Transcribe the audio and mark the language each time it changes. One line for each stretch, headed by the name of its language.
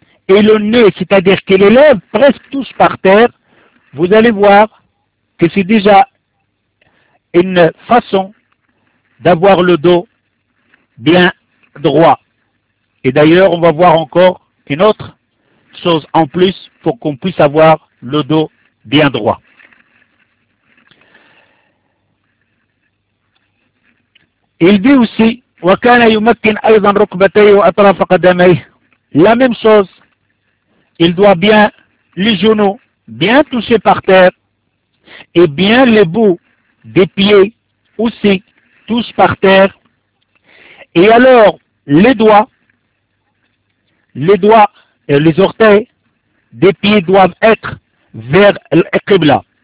French: et le nez, c'est-à-dire que les lèvres presque touchent par terre, vous allez voir que c'est déjà une façon d'avoir le dos bien droit. Et d'ailleurs, on va voir encore une autre chose en plus pour qu'on puisse avoir le dos bien droit. Il dit aussi,
Arabic: وَكَانَ يُمَكِّنْ أَيْضًا رُكْبَتَيْهِ وَأَطْرَافَ قَدَمَيْهِ.
French: La même chose, il doit bien les genoux bien toucher par terre et bien les bouts des pieds aussi touchent par terre. Et alors, les doigts et les orteils des pieds doivent être vers l'Qibla.